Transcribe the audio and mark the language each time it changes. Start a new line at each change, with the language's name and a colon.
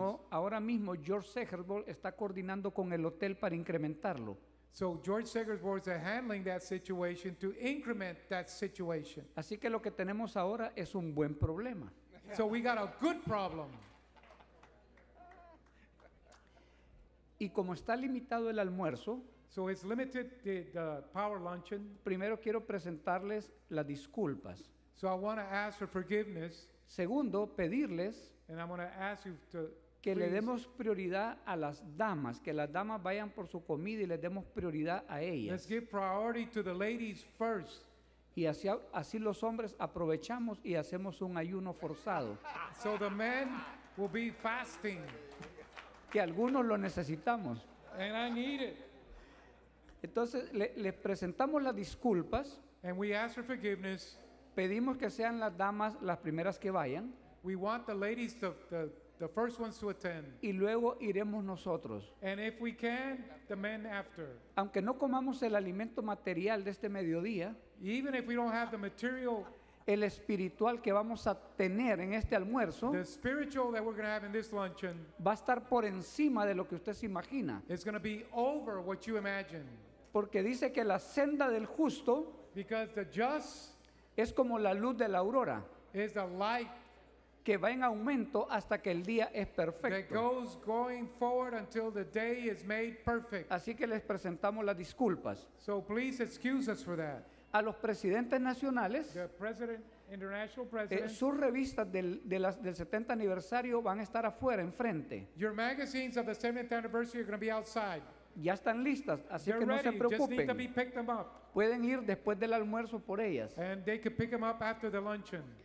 Spanish: ahora mismo George Segerbol está coordinando con el hotel para incrementarlo.
English: So George Segerbol is handling that situation to increment that situation.
Spanish: Así que lo que tenemos ahora es un buen problema.
English: So we got a good problem.
Spanish: Y como está limitado el almuerzo,
English: so it's limited the power luncheon.
Spanish: Primero quiero presentarles las disculpas.
English: So I want to ask for forgiveness.
Spanish: Segundo, pedirles
English: and I'm going to ask you to
Spanish: que le demos prioridad a las damas, que las damas vayan por su comida y les demos prioridad a ellas.
English: Let's give priority to the ladies first.
Spanish: Y así los hombres aprovechamos y hacemos un ayuno forzado.
English: So the men will be fasting.
Spanish: Que algunos lo necesitamos.
English: And I need it.
Spanish: Entonces le presentamos las disculpas.
English: And we ask for forgiveness.
Spanish: Pedimos que sean las damas las primeras que vayan.
English: We want the ladies the first ones to attend.
Spanish: Y luego iremos nosotros.
English: And if we can, the men after.
Spanish: Aunque no comamos el alimento material de este mediodía,
English: even if we don't have the material,
Spanish: el espiritual que vamos a tener en este almuerzo,
English: the spiritual that we're going to have in this luncheon,
Spanish: va a estar por encima de lo que usted se imagina.
English: It's going to be over what you imagine.
Spanish: Porque dice que la senda del justo,
English: because the just,
Spanish: es como la luz de la aurora,
English: is the light
Spanish: que va en aumento hasta que el día es perfecto.
English: That goes going forward until the day is made perfect.
Spanish: Así que les presentamos las disculpas.
English: So please excuse us for that.
Spanish: A los presidentes nacionales,
English: the president, international president,
Spanish: sus revistas del 70 aniversario van a estar afuera, enfrente.
English: Your magazines of the 70th anniversary are going to be outside.
Spanish: Ya están listas, así
English: they're
Spanish: que no
English: ready.
Spanish: Se preocupen.
English: Just need to be picked them up.
Spanish: Pueden ir después del almuerzo por ellas.
English: And they can pick them up after the luncheon.